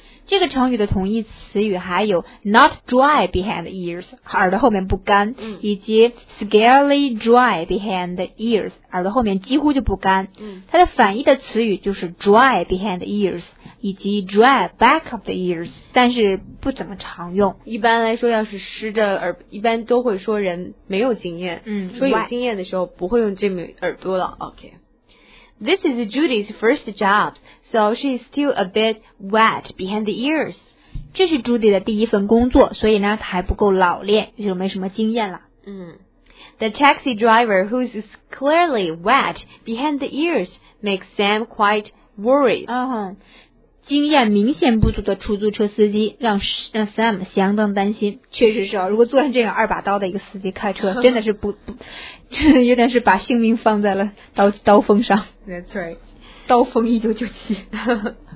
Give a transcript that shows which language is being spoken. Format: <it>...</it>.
<zh>这个成语的同义词语还有</zh> <en>not dry behind the ears,</en> <zh>耳朵后面不干，以及</zh> <en>scarily dry behind the ears,</en> <zh>耳朵后面几乎就不干。它的反义的词语就是</zh> <en>dry behind the ears,</en> <zh>以及</zh> <en>dry back of the ears,</en> <zh>但是不怎么常用。一般来说要是湿着耳一般都会说人没有经验，说有经验的时候不会用这么耳朵了。</zh> <en>Okay. This is Judy's first job, so she's still a bit wet behind the ears.</en> <zh>这是 Judy 的第一份工作，所以呢，她还不够老练，就没什么经验了。</zh> <en>The taxi driver who's clearly wet behind the ears makes Sam quite worried.</en> <zh>经验明显不足的出租车司机让 Sam 相当担心。确实是哦，如果坐上这样二把刀的一个司机开车，真的是不真的有点是把性命放在了刀锋上。</zh> <en>That's right.</en> <zh>刀锋1997。</zh>